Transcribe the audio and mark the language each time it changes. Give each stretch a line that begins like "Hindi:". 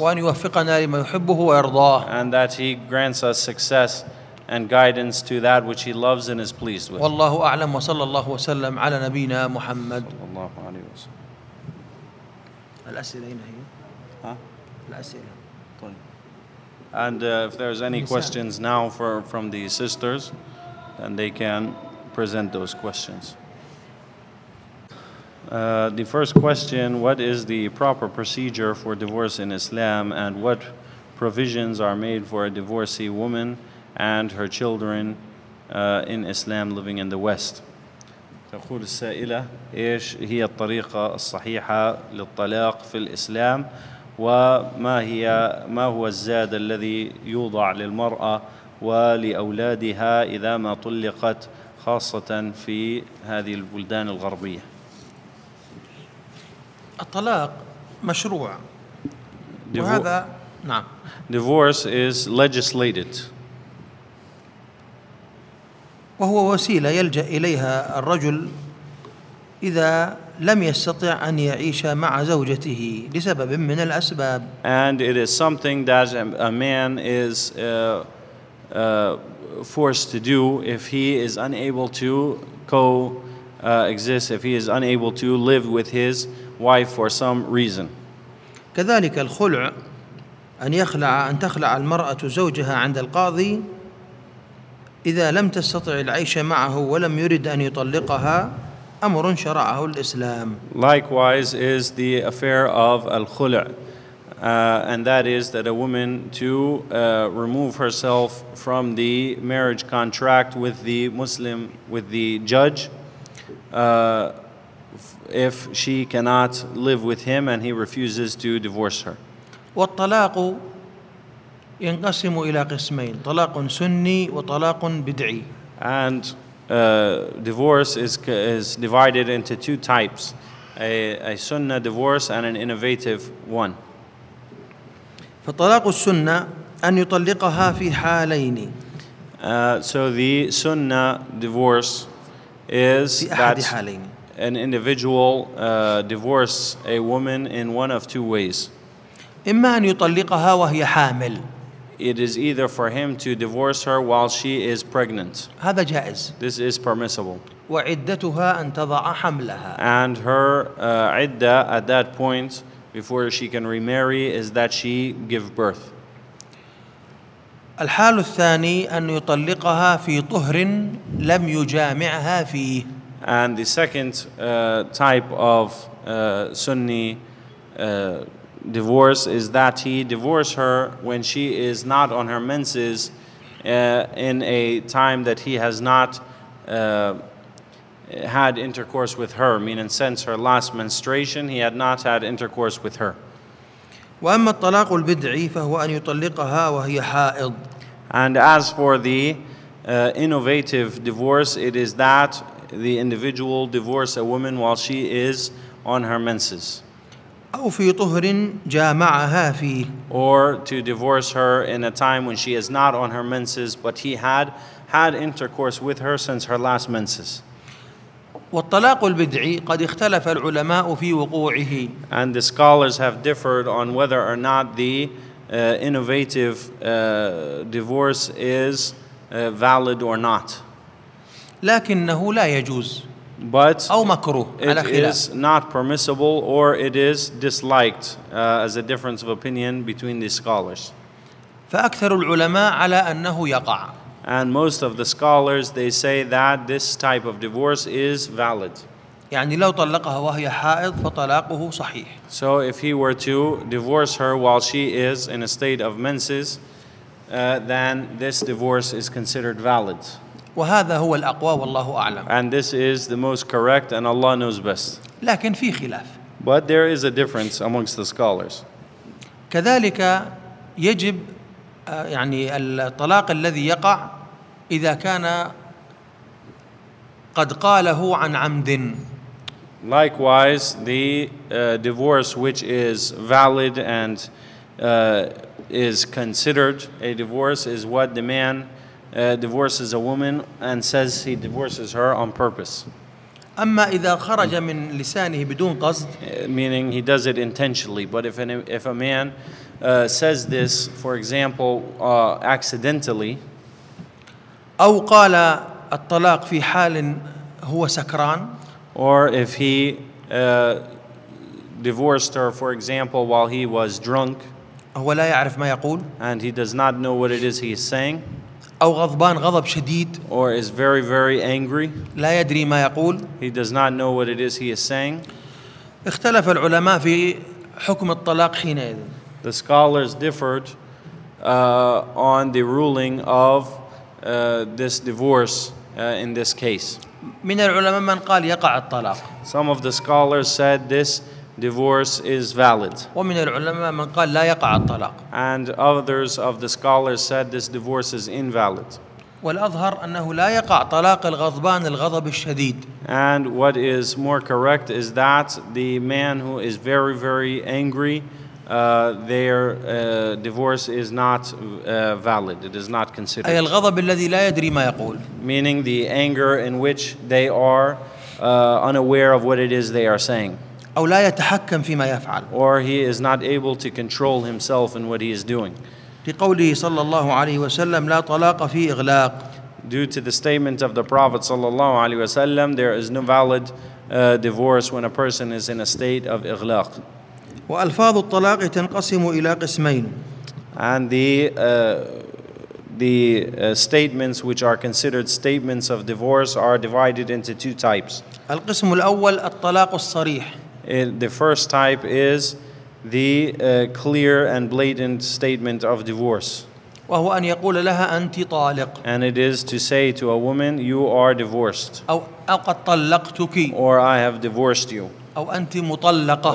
Arabic: وأن يوفقنا لما يحبه ويرضاه.
English: And that he grants us success and guidance to that which he loves and is pleased with.
Arabic: والله أعلم وصلى الله وسلم على نبينا محمد. صلى الله عليه وسلم. الأسئلة هنا هي؟ ها؟ الأسئلة.
English: And if there's any questions now from the sisters, then they can present those questions. The first question, what is the proper procedure for divorce in Islam and what provisions are made for a divorcee woman and her children in Islam living in the West?
Arabic: تقول السائلة إيش هي الطريقة الصحيحة للطلاق في الإسلام وما هي ما هو الزاد الذي يوضع للمرأة ولأولادها إذا ما طلقت خاصة في هذه البلدان الغربية. الطلاق مشروع وهذا نعم.
English: Divorce is legislated.
Arabic: وهو وسيلة يلجأ إليها الرجل إذا لم يستطع أن يعيش مع زوجته لسبب من الأسباب.
English: And it is something that a man is forced to do if he is unable to coexist, if he is unable to live with his wife for some reason.
Arabic: كذلك الخلع أن تخلع المرأة زوجها عند القاضي إذا لم تستطع العيش معه ولم يرد أن يطلقها أمر شرعه الإسلام.
English: Likewise is the affair of الخلع and that is that a woman to remove herself from the marriage contract with the Muslim, with the judge if she cannot live with him and he refuses to divorce her.
Arabic: والطلاق ينقسم إلى قسمين طلاق سني وطلاق بدعي.
English: And divorce is divided into two types, a sunnah divorce and an innovative one.
Arabic: فطلاق السنة أن يطلقها في حالين.
English: So the sunnah divorce is that
Arabic: حالين.
English: An individual divorce a woman in one of two ways.
Arabic: إما أن يطلقها وهي حامل.
English: It is either for him to divorce her while she is pregnant.
Arabic: هذا جائز.
English: This is permissible.
Arabic: وعدتها أن تضع حملها.
English: And her عدة at that point before she can remarry is that she give birth.
Arabic: الحال الثاني أن يطلقها في طهر لم يجامعها فيه.
English: And the second type of Sunni divorce is that he divorce her when she is not on her menses in a time that he has not had intercourse with her, meaning since her last menstruation he had not had intercourse with her.
Arabic: وأما الطلاق البدعي فهو أن يطلقها وهي حائض.
English: And as for the innovative divorce, it is that the individual divorce a woman while she is on her menses.
Arabic: أو في طهر جامعها فيه.
English: Or to divorce her in a time when she is not on her menses, but he had had intercourse with her since her last menses.
Arabic: والطلاق البدعي قد اختلف العلماء في وقوعه.
English: And the scholars have differed on whether or not the innovative divorce is valid or not.
Arabic: لكنه لا يجوز.
English: But
Arabic: أو مكروه
English: it is not permissible or it is disliked as a difference of opinion between the scholars.
Arabic: فأكثر العلماء على أنه يقع.
English: And most of the scholars they say that this type of divorce is valid.
Arabic: يعني لو طلقها وهي حائض فطلاقه صحيح.
English: So if he were to divorce her while she is in a state of menses, then this divorce is considered valid.
Arabic: وهذا هو الأقوى والله أعلم.
English: And this is the most correct and Allah knows best.
Arabic: لكن في خلاف.
English: But there is a difference amongst the scholars.
Arabic: كذلك يجب يعني الطلاق الذي يقع إذا كان قد قاله عن عمد.
English: Likewise, the divorce which is valid and is considered a divorce is what the man divorces a woman and says he divorces her on purpose.
Arabic: أما إذا خرج من لسانه بدون قصد.
English: Meaning he does it intentionally. But if a man says this, for example, accidentally.
Arabic: أو قال الطلاق في حال هو سكران.
English: Or if he divorced her, for example, while he was drunk.
Arabic: هو لا يعرف ما يقول.
English: And he does not know what it is he is saying.
Arabic: أو غضبان غضب شديد
English: or is very very angry
Arabic: لا يدري ما يقول
English: he does not know what it is he is saying
Arabic: اختلف العلماء في حكم الطلاق حينئذ
English: the scholars differed on the ruling of this divorce in this case
Arabic: من العلماء من قال يقع الطلاق
English: some of the scholars said this divorce is valid
Arabic: ومن العلماء من قال لا يقع الطلاق
English: and others of the scholars said this divorce is invalid
Arabic: والأظهر أنه لا يقع طلاق الغضبان الغضب الشديد
English: and what is more correct is that the man who is very very angry their divorce is not valid it is not considered
Arabic: أي الغضب الذي لا يدري ما يقول
English: meaning the anger in which they are unaware of what it is they are saying
Arabic: أو لا يتحكم فيما يفعل
English: or he is not able to control himself in what he is doing
Arabic: لقوله صلى الله عليه وسلم لا طلاق في إغلاق
English: due to the statement of the Prophet
Arabic: صلى الله عليه وسلم
English: there is no valid divorce when a person is in a state of إغلاق
Arabic: وألفاظ الطلاق تنقسم إلى قسمين
English: and the statements which are considered statements of divorce are divided into two types
Arabic: القسم الأول الطلاق الصريح
English: The first type is the clear and blatant statement of divorce.
Arabic: وهو أن يقول لها أنت طالق.
English: And it is to say to a woman, you are divorced.
Arabic: أو قد طلقتك.
English: Or I have divorced you.
Arabic: أو أنت مطلقة.